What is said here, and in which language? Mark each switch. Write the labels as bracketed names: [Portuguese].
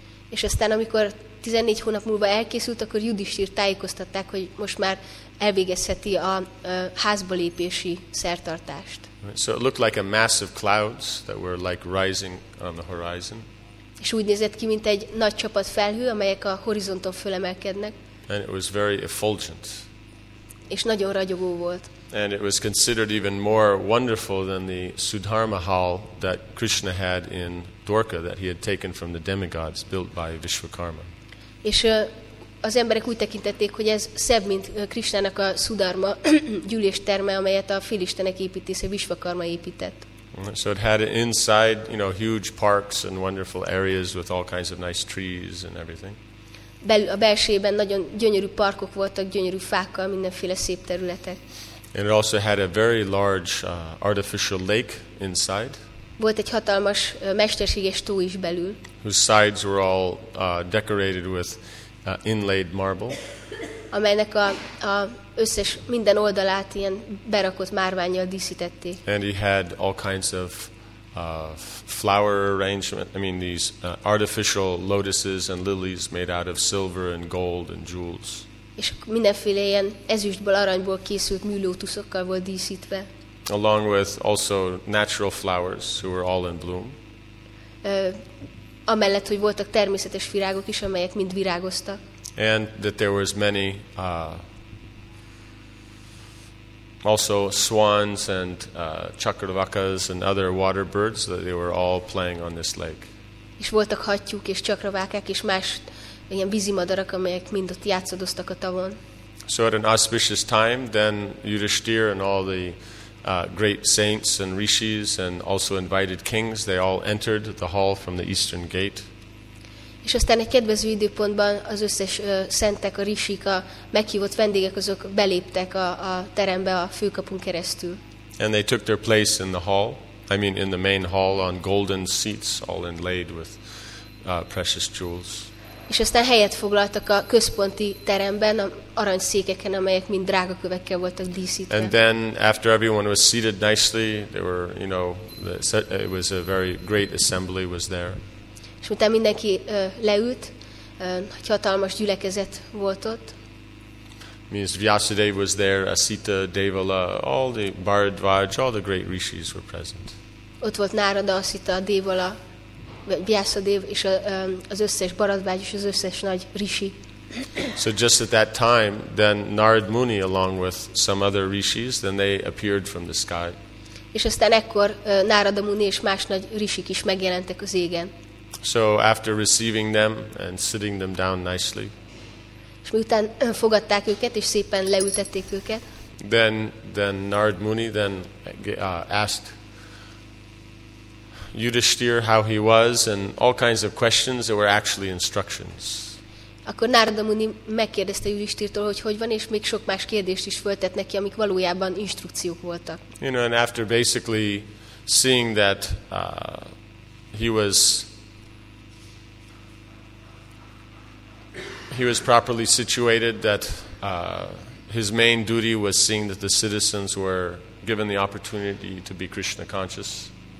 [Hungarian] És aztán amikor 14 hónap múlva elkészült, akkor Yudhishthir tájékoztatták, hogy most már elvégezheti a házba lépési szertartást. [English] So it looked like a mass of clouds that were like rising on the horizon. [Hungarian] És úgy nézett ki, mint egy nagy csapat felhő, amelyek a horizonton fölemelkednek. [English] And it was very effulgent. [Hungarian] És nagyon ragyogó volt. [English] And it was considered even more wonderful than the Sudharma hall that Krishna had in Dwarka that he had taken from the demigods built by Vishwakarma. [Hungarian] És az emberek úgy tekintették, hogy ez szebb, mint Krisnának a Sudharma gyűlésterme, amelyet a félistenek építésze Vishwakarma épített. [English] So it had inside, you know, huge parks and wonderful areas with all kinds of nice trees and everything. [Hungarian] A belsőben nagyon gyönyörű parkok voltak, gyönyörű fákkal, mindenféle szép területek. [English] And it also had a very large artificial lake inside. [Hungarian] Volt egy hatalmas mesterséges tó is belül. [English] Whose sides were all decorated with inlaid marble. [Hungarian] Amelynek a összes minden oldalát ilyen berakott márvánnyal díszítették. [English] And he had all kinds of flower arrangement, I mean these artificial lotuses and lilies made out of silver and gold and jewels. [Hungarian] És mindenféle ilyen ezüstből, aranyból készült műlótuszokkal volt díszítve. [English] Along with also natural flowers, who were all in bloom. [Hungarian] Amellett, hogy voltak természetes virágok is, amelyek mind virágoztak. [English] And that there was many also swans and chakravakas and other water birds that they were all playing on this lake. [Hungarian] És voltak hattyúk és csakravákák és más ilyen vízimadarak, amelyek mind ott játszadoztak a tavon. [English] So at an auspicious time, then Yudhishthir and all the great saints and rishis and also invited kings, they all entered the hall from the eastern gate. [Hungarian] És aztán egy kedvező időpontban az összes szentek, a rishik, a meghívott vendégek, azok beléptek a terembe a főkapun keresztül. [English] And they took their place in the hall, I mean in the main hall, on golden seats all inlaid with precious jewels. [Hungarian] és aztán helyet foglaltak a központi teremben, a aranyszékeken, amelyek mind drága kövekkel voltak díszítve. [English] And then after everyone was seated nicely, there were, you know, it was a very great assembly was there. [Hungarian] És utána mindenki leült, nagy hatalmas gyülekezet volt ott. [English] Means Vyasadeva was there, Asita, Devala, all the Bharadvaj, all the great rishis were present. [Hungarian] Ott volt Narada, Asita, Devala, Vyasadeva és az összes Bharadvaj és az összes nagy rishi. [English] So just at that time, then Narad Muni, along with some other rishis, then they appeared from the sky. [Hungarian] És aztán ekkor Narada Muni és más nagy rishik is megjelentek az égen. [English] So after receiving them and sitting them down nicely. [Hungarian] És miután fogadták őket és szépen leültették őket. [English] Then Narad Muni then asked Yudhishthir how he was and all kinds of questions that were actually instructions. [Hungarian] Akkor Narada Muni megkérdezte Yudhishthirtől, hogy van, és még sok más kérdést is föltett neki, amik valójában instrukciók voltak. [English] You know, and after basically seeing that he was properly situated, that his main duty was seeing that the citizens were given the opportunity to be Krishna conscious.